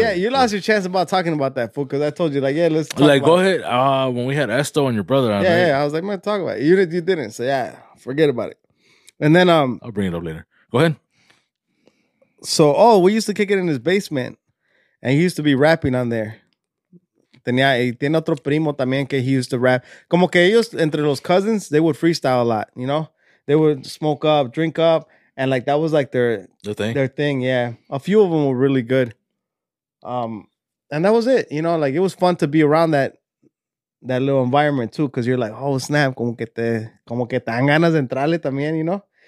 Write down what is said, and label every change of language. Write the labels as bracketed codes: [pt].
[en] Yeah, you lost your chance about talking about that, fool, because I told you, like, yeah, let's talk like, about go ahead. When we had Esto and your brother on. Yeah, I was like, man, talk about it. You didn't, so yeah, forget about it. And then... I'll bring it up later. Go ahead. So, we used to kick it in his basement, and he used to be rapping on there. [es] Tiene otro primo también que [en] he used to rap. [es] Como que ellos, entre los [en] cousins, they would freestyle a lot, you know? They would smoke up, drink up, and, like, that was, like, their thing, yeah. A few of them were really good. And that was it, you know? Like, it was fun to be around that little environment, too, because you're like, oh, snap, [es] como que te dan ganas de entrarle también, [en] you know?